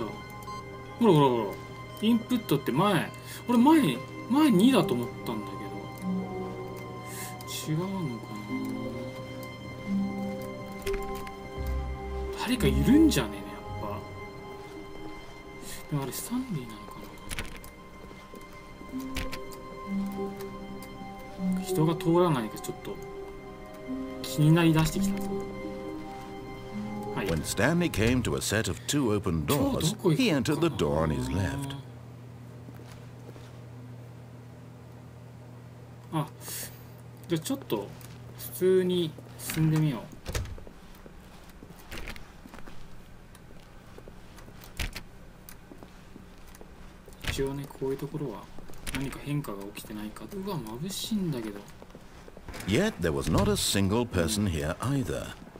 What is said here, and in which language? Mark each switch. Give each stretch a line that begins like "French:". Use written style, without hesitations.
Japanese: ほらほらほら、インプットって前、俺前2だと思ったんだけど、違うのかな。誰かいるんじゃねえね、やっぱ。でもあれスタンリーなのかな。人が通らないかちょっと気になりだしてきた。
English: When Stanley came to a set of two open doors, he entered the door on his left.
Japanese: Ah, じゃあちょっと普通に進んでみよう。一応ね、こういうところは何か変化が起きてないか。うわ、眩しいんだけど。
English: Yet there was not a single person here either.